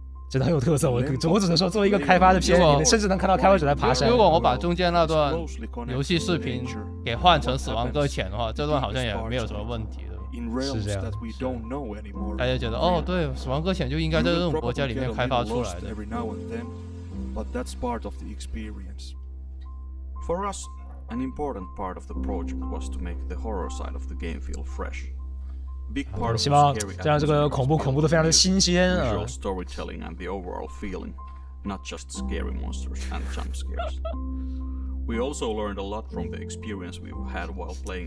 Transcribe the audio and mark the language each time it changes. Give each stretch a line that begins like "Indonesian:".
Chinese: 真的很有特色，我只能说作为一个开发的 PM， 甚至能看到开发者在爬山。如果我把中间那段游戏视频给换成死亡搁浅的话，这段好像也没有什么问题。是这样，大家觉得哦，对，《死亡搁浅》就应该在这种国家里面开发出来的。
English: But that's part of the experience. For us, an important part of the project was to make the horror side of the game feel fresh. Big part of the scary atmosphere.
Chinese: 希望让这个恐怖的非常的新鲜啊。
English: Visual storytelling and the overall feeling, not just scary monsters and jump scares. We also learned a lot from the experience we've had while playing.